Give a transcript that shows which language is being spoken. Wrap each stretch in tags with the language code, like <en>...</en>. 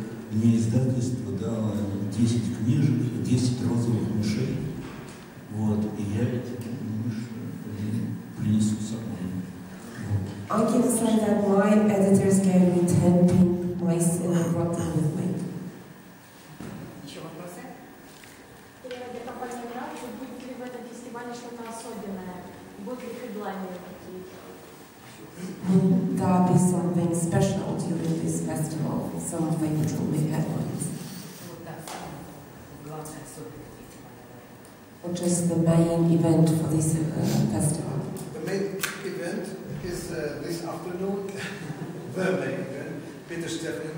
<ru>Мне издательство дало 10 книжек, 10 розовых мышей. Вот, и я эти мыши принесу с собой.</ru> <en>I can say that my editors gave me 10 pink mice and I brought them with me.</en> <ru>Еще вопросы? Я компания «Мираж», будет ли в этом фестивале что-то особенное? Будут ли хедлайнеры какие-то?</ru> <en>There be something special during this festival, some of which will be headlines. Which is the main event for this festival? The main event is this afternoon, the main event, Peter Steffen.</en>